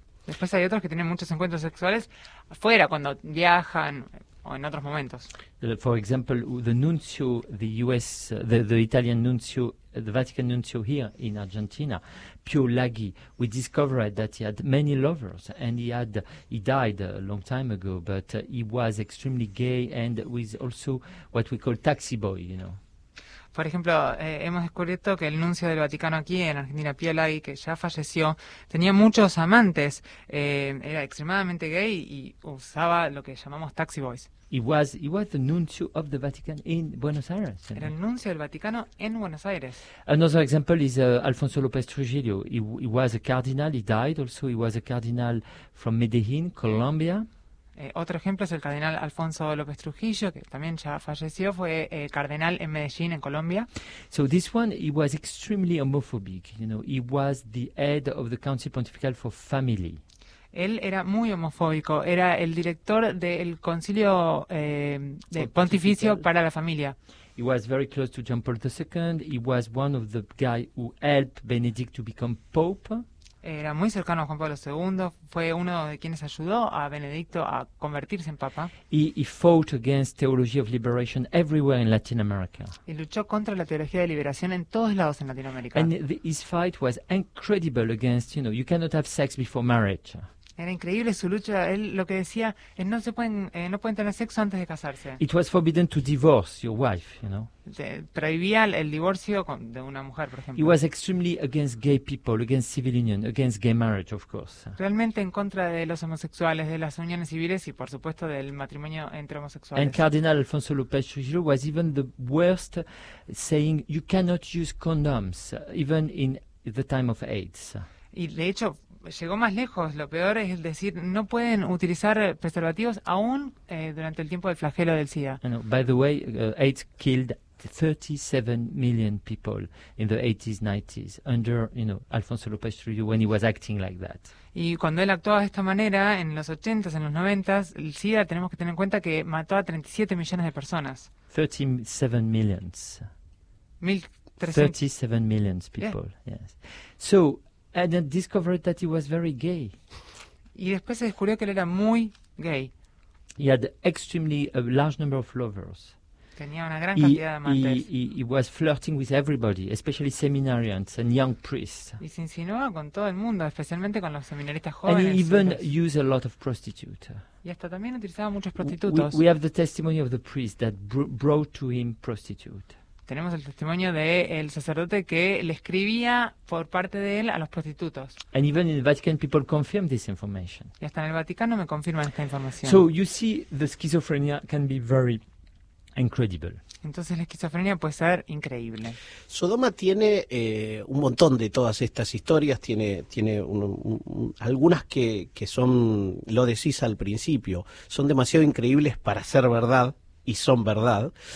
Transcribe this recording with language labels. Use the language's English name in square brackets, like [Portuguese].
[Spanish] Después hay otros que tienen muchos encuentros sexuales afuera, cuando viajan, o en otros momentos. [English] For example, the nuncio, the U.S., the Italian nuncio, the Vatican nuncio here in Argentina, Pio Laghi, we discovered that he had many lovers, and he died a long time ago, but he was extremely gay and was also what we call taxi boy, you know. [Spanish] Por ejemplo, hemos descubierto que el nuncio del Vaticano aquí en Argentina, Pio Laghi, que ya falleció, tenía muchos amantes. Era extremadamente gay y usaba lo que llamamos taxi boys. [English] He was the nuncio of the Vatican in Buenos Aires. [Spanish] Era el nuncio del Vaticano en Buenos Aires. [English] Another example is Alfonso López Trujillo. He was a cardinal. He died also. He was a cardinal from Medellín, Colombia. [Spanish] Otro ejemplo es el cardenal Alfonso López Trujillo, que también ya falleció, fue cardenal en Medellín, en Colombia. [English] So this one, he was extremely homophobic, you know, he was the head of the Council Pontifical for Family. [Spanish] Él era muy homofóbico, era el director del Concilio Pontificio para la Familia. [English] He was very close to John Paul II, he was one of the guys who helped Benedict to become Pope. [Spanish] Era muy cercano a Juan Pablo II, fue uno de quienes ayudó a Benedicto a convertirse en papa. [English] He fought against theology of liberation everywhere in Latin America. [Spanish] Y luchó contra la teología de liberación en todos lados en Latinoamérica. [English] And his fight was incredible against, you know, you cannot have sex before marriage. [Spanish] Era increíble su lucha, él lo que decía es no pueden tener sexo antes de casarse. [English] It was forbidden to divorce your wife, you know. [Spanish] Prohibía el divorcio de una mujer, por ejemplo. [English] He was extremely against gay people, against civil union, against gay marriage, of course. [Spanish] Realmente en contra de los homosexuales, de las uniones civiles y, por supuesto, del matrimonio entre homosexuales. [English] And Cardinal Alfonso López Trujillo was even the worst, saying you cannot use condoms, even in the time of AIDS. [Spanish] Y de hecho, llegó más lejos. Lo peor es decir, no pueden utilizar preservativos aún durante el tiempo del flagelo del SIDA. [English] And, by the way, AIDS killed 37 million people in the 80s, 90s, under, you know, Alfonso López Trujillo, when he was acting like that. [Spanish] Y cuando él actuaba de esta manera, en los 80s, en los 90s, el SIDA, tenemos que tener en cuenta que mató a 37 millones de personas. [English] 37 millions. 37 million people, yes. So, and then discovered that he was very gay. [Spanish] Y después se descubrió que él era muy gay. [English] He had extremely a large number of lovers. [Spanish] Tenía una gran cantidad de amantes. [English] He was flirting with everybody, especially seminarians and young priests. [Spanish] Y se insinuaba con todo el mundo, especialmente con los seminaristas jóvenes. [English] And he even used a lot of prostitutes. [Spanish] Y hasta también utilizaba muchos prostitutos. [English] We have the testimony of the priest that brought to him prostitutes. [Spanish] Tenemos el testimonio de el sacerdote que le escribía por parte de él a los prostitutos. [English] And even in the Vatican, people confirm this information. [Spanish] Y hasta en el Vaticano me confirman esta información. [English] So you see, the schizophrenia can be very incredible. [Spanish] Entonces la esquizofrenia puede ser increíble. Sodoma tiene un montón de todas estas historias, tiene algunas que son, lo decís al principio, son demasiado increíbles para ser verdad. Y son verdad.